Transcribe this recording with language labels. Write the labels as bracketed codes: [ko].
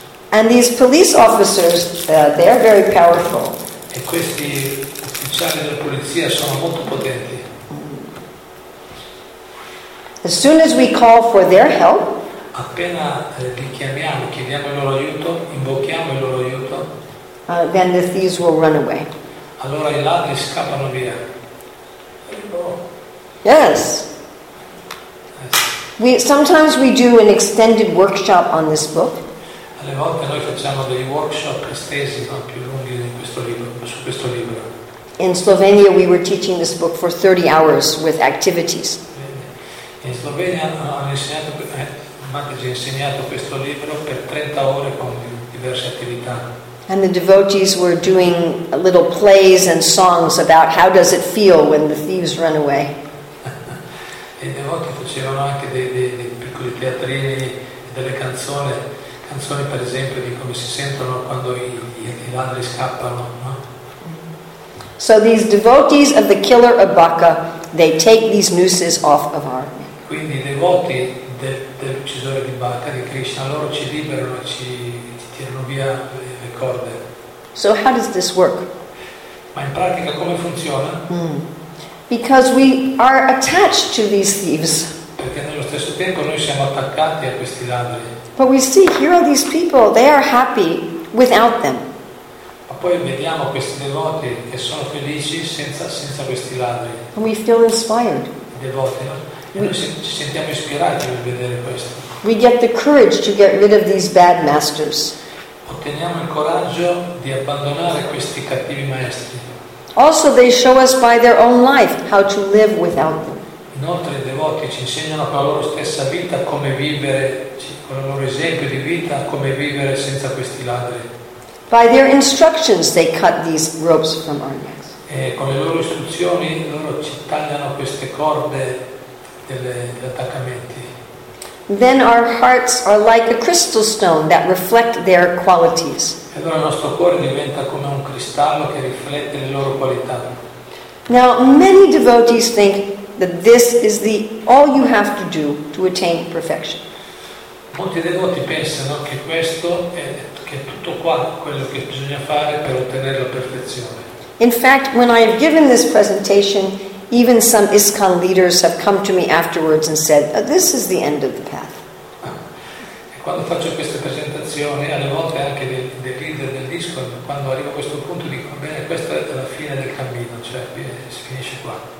[en] And these police officers, they are very powerful. [it] E questi ufficiali della polizia sono molto potenti. [en] As soon as we call for their help, [it] appena li chiamiamo, chiediamo il loro aiuto, invochiamo il loro aiuto, [en] then the thieves will run away. [it] Allora i ladri scappano via. [en] Yes. Sometimes we do an extended workshop on this book. [it] Alle volte noi facciamo dei workshop estesi, ma più lunghi in questo libro, su questo libro. [en] In Slovenia we were teaching this book for 30 hours with activities. [it] In Slovenia ci ha insegnato questo libro per 30 ore con diverse attività. [en] And the devotees were doing little plays and songs about how does it feel when the thieves run away. [it] E i devoti facevano anche dei piccoli teatrini, delle canzoni. Canzoni, per esempio, di come si sentono quando i ladri scappano, no? [en] So these devotees of the killer of Bacca, they take these nooses off of our neck. [it] Quindi i devoti dell'uccisore di Bacca, di Krishna, loro ci liberano, ci tirano via le corde. [en] So how does this work? [it] Ma in pratica come funziona? [en] Because we are attached to these thieves. [it] Perché nello stesso tempo noi siamo attaccati a questi ladri. [en] But we see, here are these people, they are happy without them. [it] Ma poi vediamo questi devoti che sono felici senza questi ladri. [en] And we feel inspired. [it] I devoti, no? Noi ci sentiamo ispirati nel vedere questo. [en] We get the courage to get rid of these bad masters. [it] Otteniamo il coraggio di abbandonare questi cattivi maestri. [en] Also they show us by their own life how to live without them. [it] Inoltre i devoti ci insegnano con la loro stessa vita come vivere, con il loro esempio di vita, come vivere senza questi ladri. [en] By their instructions they cut these ropes from our necks. [it] E con le loro istruzioni loro ci tagliano queste corde degli attaccamenti. [en] Then our hearts are like a crystal stone that reflect their qualities. [it] E allora il nostro cuore diventa come un cristallo che riflette le loro qualità. [en] Now many devotees think that this is the all you have to do to attain perfection. [it] Molti devoti pensano che questo è tutto qua quello che bisogna fare per ottenere la perfezione. [en] In fact, when I have given this presentation, even some ISKCON leaders have come to me afterwards and said, this is the end of the path. [it] E quando faccio queste presentazioni, alle volte anche dei leader del ISKCON, quando arrivo a questo punto dico, bene, questa è la fine del cammino, cioè si finisce qua.